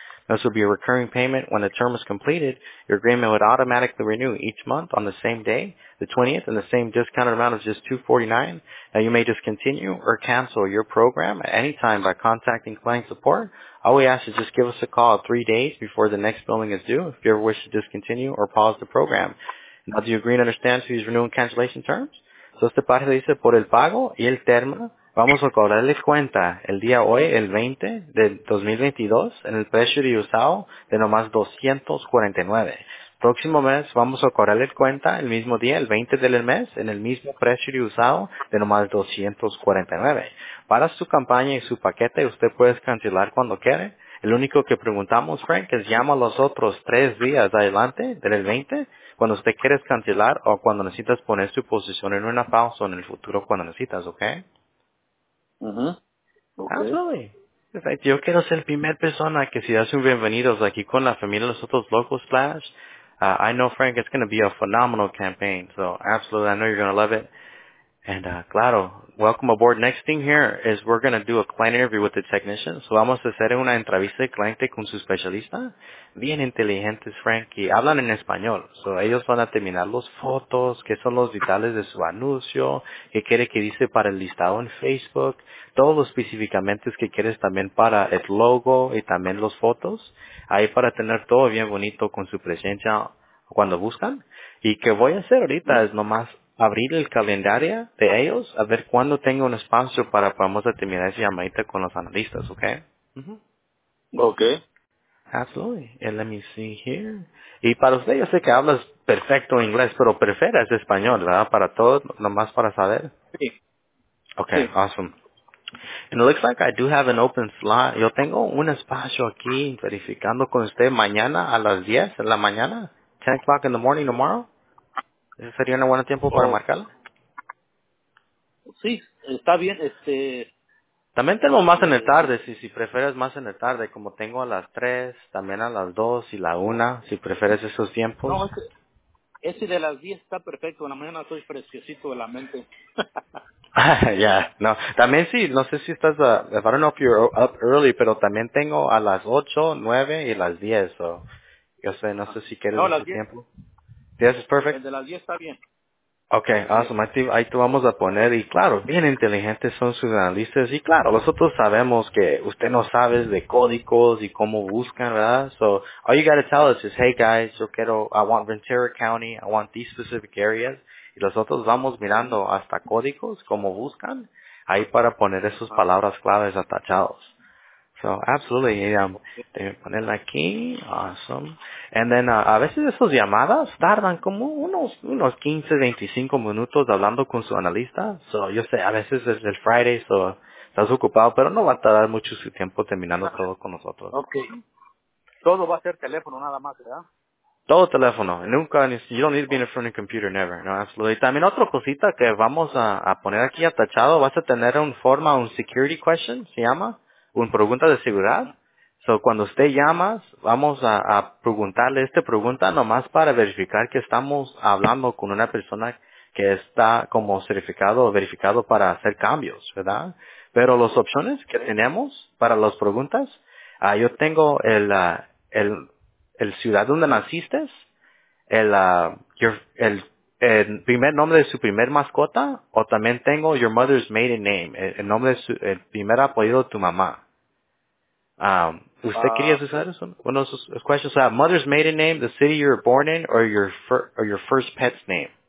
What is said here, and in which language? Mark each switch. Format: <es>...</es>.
<en>This will be a recurring payment when the term is completed. Your agreement would automatically renew each month on the same day, the 20th, and the same discounted amount of just $249. Now, you may discontinue or cancel your program at any time by contacting client support. All we ask is just give us a call 3 days before the next billing is due if you ever wish to discontinue or pause the program. Now, do you agree and understand to these renewal and cancellation terms?</en> <es>So, esta parte dice, por el pago y el término, vamos a cobrarle cuenta el día hoy, el 20 de 2022, en el precio de usado de nomás $249. Próximo mes, vamos a cobrarle cuenta el mismo día, el 20 del mes, en el mismo precio de usado de nomás $249. Para su campaña y su paquete, usted puede cancelar cuando quiere. El único que preguntamos, Frank, es llama a los otros 3 días adelante del 20, cuando usted quiere cancelar o cuando necesitas poner su posición en una pausa o en el futuro cuando necesitas, ¿ok?</es> <en>Uh-huh. Okay.</en> <es>Absolutely. Yo quiero ser la primera persona que si hace un bienvenidos aquí con la familia de nosotros Local Splash.</es> <en>I know, Frank, it's going to be a phenomenal campaign. So, absolutely, I know you're going to love it. And, claro, welcome aboard. Next thing here is we're going to do a client interview with the technician.</en> <es>So, vamos a hacer una entrevista de cliente con su especialista. Bien inteligentes, Frank, y hablan en español. So, ellos van a terminar los fotos, qué son los vitales de su anuncio, qué quiere que dice para el listado en Facebook, todos los específicamente que quieres también para el logo y también los fotos. Ahí para tener todo bien bonito con su presencia cuando buscan. Y que voy a hacer ahorita es nomás abrir el calendario de ellos a ver cuándo tengo un espacio para podamos terminar esa llamadita con los analistas, ¿ok?</es> <en>Uh-huh. Ok. Absolutely. And let me see here.</en> <es>Y para usted, yo sé que hablas perfecto inglés, pero prefieres español, ¿verdad? Para todo, nomás para saber. Sí.</es> <en>Okay,</en> <es>sí.</es> <en>Awesome. And it looks like I do have an open slot.</en> <es>Yo tengo un espacio aquí verificando con usted mañana a las 10 en la mañana.</es> <en>10 o'clock in the morning tomorrow.</en> <es>¿Ese sería un buen tiempo para marcarlo? Sí, está bien. También tenemos más en el tarde, si prefieres más en el tarde, como tengo a las 3, también a las 2 y la 1, si prefieres esos tiempos. No, ese de las 10 está perfecto, en la mañana estoy fresquecito de la mente. Ya, no, también sí, no sé si estás,</es> <en>I don't know if you're up early,</en> <es>pero también tengo a las 8, 9 y las 10, so, yo sé, no sé si quieres más tiempo. ¿10 es perfecto? El de las 10 está bien.</es> <en>Okay, awesome.</en> <es>Ahí te vamos a poner. Y claro, bien inteligentes son sus analistas. Y claro, nosotros sabemos que usted no sabe de códigos y cómo buscan, ¿verdad?</es> <en>So, all you gotta tell us is, hey guys,</en> <es>yo quiero,</es> <en>I want Ventura County, I want these specific areas.</en> <es>Y nosotros vamos mirando hasta códigos, cómo buscan, ahí para poner esas palabras claves atachados.</es> <en>So, absolutely.</en> <es>Déjame ponerla aquí.</es> <en>Awesome. And then,</en> <es>a veces esas llamadas tardan como unos 15, 25 minutos hablando con su analista. So, yo sé, a veces es el Friday, so, estás ocupado, pero no va a tardar mucho su tiempo terminando todo con nosotros.</es> <en>Okay.</en> <es>Todo va a ser teléfono nada más, ¿verdad? Todo teléfono. Nunca,</es> <en>you don't need to be in front of a computer, never. No, absolutely.</en> <es>También otra cosita que vamos a poner aquí atachado, vas a tener un forma, un</es> <en>security question,</en> <es>se llama, un pregunta de seguridad. So, cuando usted llamas, vamos a preguntarle esta pregunta nomás para verificar que estamos hablando con una persona que está como certificado o verificado para hacer cambios, ¿verdad? Pero las opciones que tenemos para las preguntas, yo tengo el ciudad donde naciste, el primer nombre de su primer mascota, o también tengo</es> <en>your mother's maiden name,</en> <es>el nombre de su, el primer apellido de tu mamá. ¿Usted quería usar eso?</es> <en>One of those questions, mother's maiden name, the city you were born in, or your first pet's name?</en>